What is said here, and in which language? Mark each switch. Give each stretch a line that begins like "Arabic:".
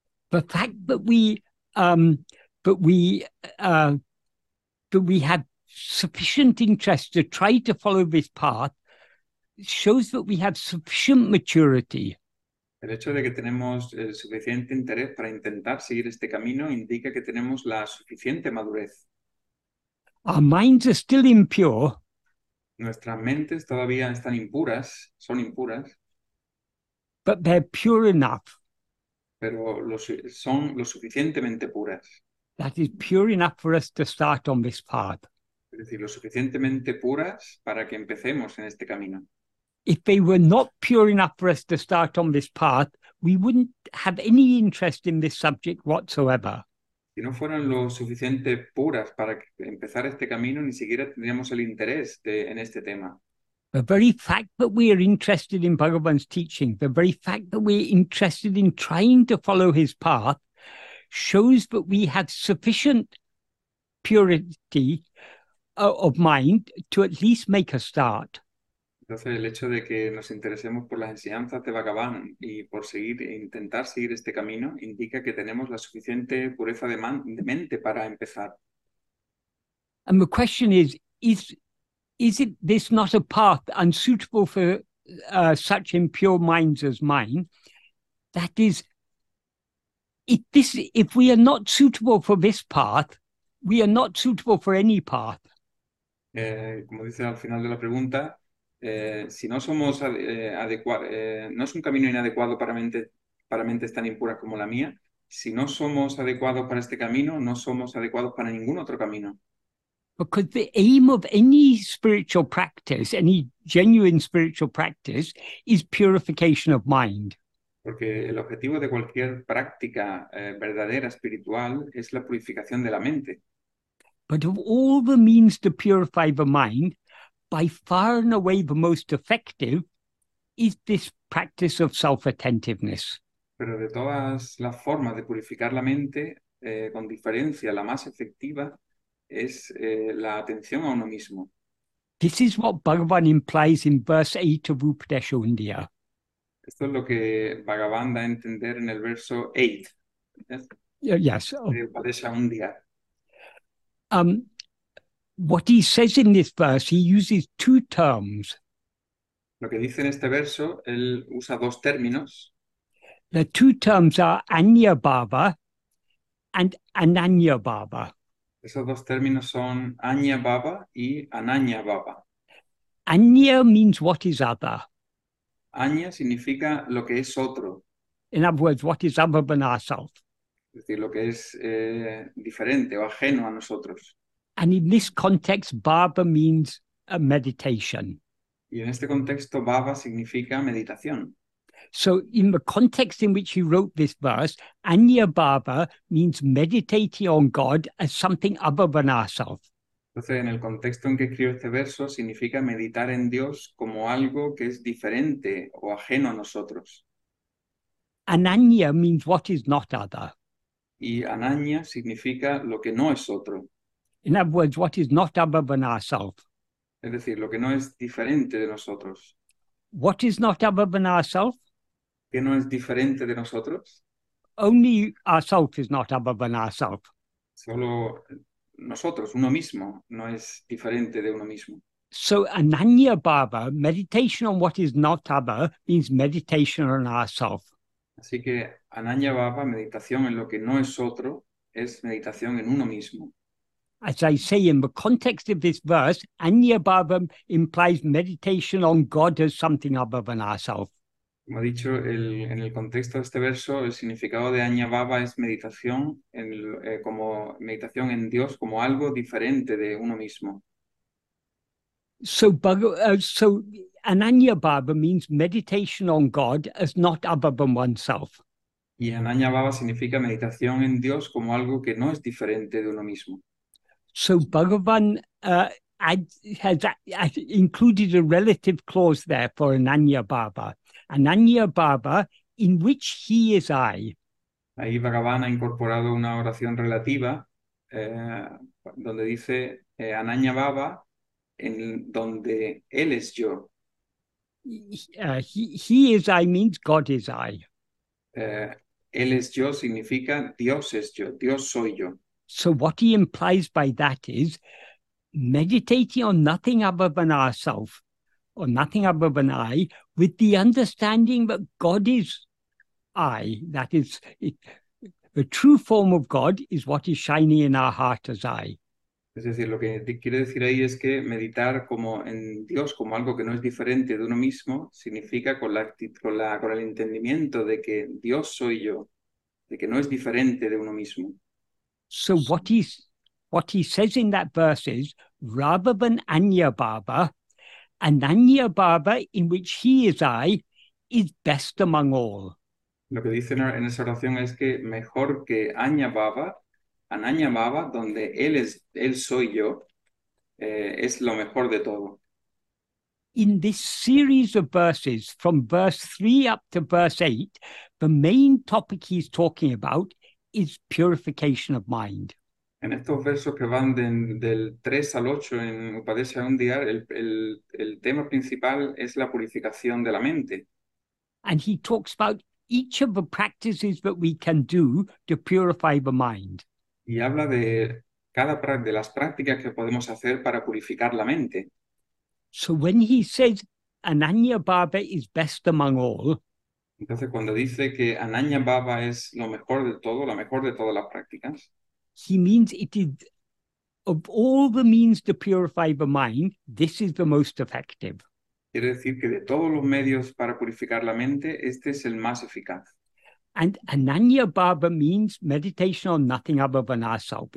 English: The fact that we have sufficient interest to try to follow this path shows that we have sufficient maturity.
Spanish: El hecho de que tenemos el suficiente interés para intentar seguir este camino indica que tenemos la suficiente madurez.
English: Our minds are still impure.
Spanish: Nuestras mentes todavía están impuras, son impuras.
English: But they're pure enough.
Spanish: pero son lo suficientemente puras.
English: That is pure enough for us to start on this path.
Spanish: Es decir, lo suficientemente puras para que empecemos en este camino.
English: If they were not pure enough for us to start on this path, we wouldn't have any interest in this subject whatsoever.
Spanish: Si no fueran lo suficiente puras para empezar este camino, ni siquiera tendríamos el interés en este tema.
English: The very fact that we are interested in Bhagavan's teaching, the very fact that we're interested in trying to follow his path, shows that we have sufficient purity of mind to at least make a start.
Spanish: Entonces, el hecho de que nos interesemos por las enseñanzas de Bhagavan y por seguir intentar seguir este camino indica que tenemos la suficiente pureza de mente para empezar.
English: And the question is it this not a path unsuitable for such impure minds as mine? That is, if we are not suitable for this path, we are not suitable for any path.
Spanish: Como dice al final de la pregunta, si no somos no es un camino inadecuado para mentes tan impuras como la mía. Si no somos adecuados para este camino, no somos adecuados para ningún otro camino.
English: Because the aim of any spiritual practice, any genuine spiritual practice, is purification of mind.
Spanish: Porque el objetivo de cualquier práctica verdadera espiritual es la purificación de la mente.
English: But of all the means to purify the mind, by far and away the most effective is this practice of self-attentiveness.
Spanish: Pero de todas las formas de purificar la mente, con diferencia la más efectiva es la atención a uno mismo.
English: This is what Bhagavan implies in verse 8 of 𝘷𝘪ṣ𝘢𝘺𝘢.
Spanish: Esto es lo que Bhagavan da a entender en el verso 8.
English: Yes.
Spanish: De 𝘷𝘪ṣ𝘢𝘺𝘢.
English: What he says in this verse, he uses two terms.
Spanish: Lo que dice en este verso, él usa dos términos.
English: The two terms are Anya Bhava and Ananya Bhava.
Spanish: Esos dos términos son Anya Bhava y Ananya Bhava.
English: Anya means what is other.
Spanish: Anya significa lo que es otro.
English: In other words, what is other than ourselves.
Spanish: Es decir, lo que es diferente o ajeno a nosotros.
English: And in this context, Bhava means a meditation.
Spanish: Y en este contexto, Bhava significa meditación.
English: So in the context in which he wrote this verse, Anya Bhava means meditating on God as something other than ourselves.
Spanish: Entonces, en el contexto en que escribe este verso, significa meditar en Dios como algo que es diferente o ajeno a nosotros.
English: Ananya means what is not other.
Spanish: Y Ananya significa lo que no es otro.
English: In other words, what is not other than ourselves.
Spanish: Es decir, lo que no es diferente de nosotros.
English: What is not other than ourselves?
Spanish: ¿Qué no es diferente de nosotros?
English: Only ourselves is not other than ourselves.
Spanish: Solo nosotros, uno mismo, no es diferente de uno mismo.
English: So Ananya Bhava, meditation on what is not other, means meditation on ourselves.
Spanish: Así que Ananya Bhava, meditación en lo que no es otro, es meditación en uno mismo.
English: As I say, in the context of this verse, Anya Bhava implies meditation on God as something other than ourselves.
Spanish: Como he dicho, en el contexto de este verso, el significado de Anya Bhava es meditación como meditación en Dios como algo diferente de uno mismo.
English: So Ananya Bhava means meditation on God as not other than oneself.
Spanish: Y Ananya Bhava significa meditación en Dios como algo que no es diferente de uno mismo.
English: So Bhagavan has included a relative clause there for Ananya Bhava. Ananya Bhava, in which he is I.
Spanish: Ahí Bhagavan ha incorporado una oración relativa donde dice Ananya Bhava, en donde él es yo.
English: He is I means God is I.
Spanish: Él es yo significa Dios es yo, Dios soy yo.
English: So what he implies by that is meditating on nothing other than ourself, or nothing other than I, with the understanding that God is I. That is, the true form of God is what is shining in our heart as I.
Spanish: Es decir, lo que quiere decir ahí es que meditar como en Dios como algo que no es diferente de uno mismo significa con el entendimiento de que Dios soy yo. de que no es diferente de uno mismo.
English: So what he says in that verse is rather than Anyabhava, Ananyabhava, in which he is I, is best among all.
Spanish: Lo que dice en esa oración es que mejor que Anyabhava, Ananyabhava, donde él es, él soy yo, es lo mejor de todo.
English: In this series of verses, from verse 3 up to verse 8, the main topic he's talking about is purification of mind.
Spanish: En estos versos que van del 3 al 8 en 𝘷𝘪ṣ𝘢𝘺𝘢, el tema principal es la purificación de la mente.
English: And he talks about each of the practices that we can do to purify the mind.
Spanish: Y habla de cada de las prácticas que podemos hacer para purificar la mente.
English: So when he says Ananyabhava is best among all,
Spanish: entonces cuando dice que Ananyabhava es lo mejor de todo, la mejor de todas las prácticas,
English: he means it is of all the means to purify the mind, this is the most effective.
Spanish: Quiere decir que de todos los medios para purificar la mente, este es el más eficaz.
English: And Ananyabhava means meditation on nothing other than ourself.